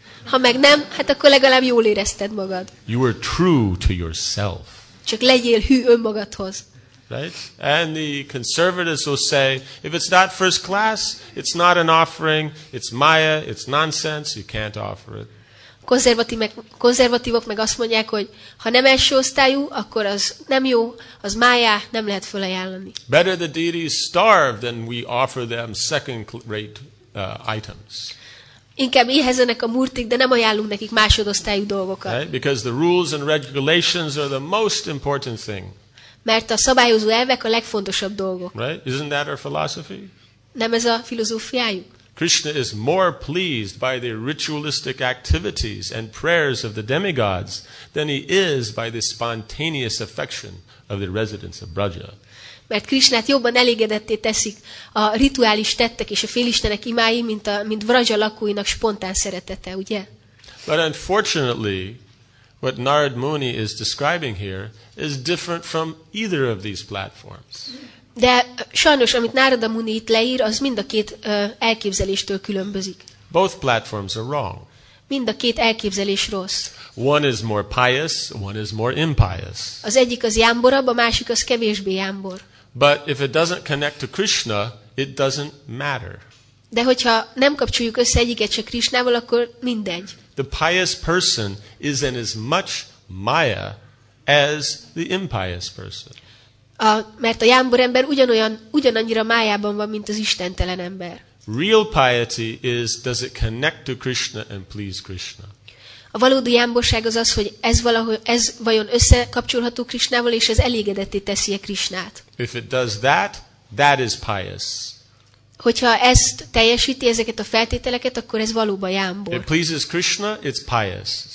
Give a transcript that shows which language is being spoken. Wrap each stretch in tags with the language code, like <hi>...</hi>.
<hu>Ha meg nem, hát akkor legalább jól érezted magad.</hu> <en>You were true to yourself.</en> <hu>Csak legyél hű önmagadhoz.</hu> <en>Right? And the conservatives will say, if it's not first class, it's not an offering, it's maya, it's nonsense, you can't offer it.</en> <hu>Konzervatívok meg azt mondják, hogy ha nem első osztályú, akkor az nem jó, az mája, nem lehet fölajánlani.</hu> <en>Better the deities starve than we offer them second-rate items.</en> <hu>Inkább éhezenek a murtik, de nem ajánlunk nekik másodosztályú dolgokat.</hu> <en>Right? Because the rules and regulations are the most important thing. Mert a szabályozó elvek a legfontosabb dolgok. Right? Isn't that our philosophy?</en> <hu>Nem ez a filozófiájuk?</hu> <en>Krishna is more pleased by the ritualistic activities and prayers of the demigods than he is by the spontaneous affection of the residents of Braja.</en> <hu>Mert Krishnát jobban elégedetté teszik a rituális tettek és a félistenek imái, mint Braja lakóinak spontán szeretete, ugye?</hu> <en>But unfortunately, what Narad Muni is describing here is different from either of these platforms.</en> <hu>De sajnos, amit Narada Muni itt leír, az mind a két elképzeléstől különbözik.</hu> <en>Both platforms are wrong.</en> <hu>Mind a két elképzelés rossz.</hu> <en>One is more pious, one is more impious.</en> <hu>Az egyik az jámborabb, a másik az kevésbé jámbor.</hu> <en>But if it doesn't connect to Krishna, it doesn't matter.</en> <hu>De hogyha nem kapcsoljuk össze egyiket se Krishnával, akkor mindegy.</hu> <en>The pious person is in as much maya as the impious person.</en> <hu>Mert a jámbor ember ugyanannyira májában van, mint az istentelen ember.</hu> <en>Real piety is, does it connect to Krishna and please Krishna?</en> <hu>A valódi jámborság az az, hogy ez vajon összekapcsolható Krishnával, és ez elégedetté teszi-e Krishnát.</hu> <en>If it does that, that is pious.</en> <hu>Hogyha ezt teljesíti, ezeket a feltételeket, akkor ez valóban jámbor.</hu> <en>It pleases Krishna, it's pious.</en>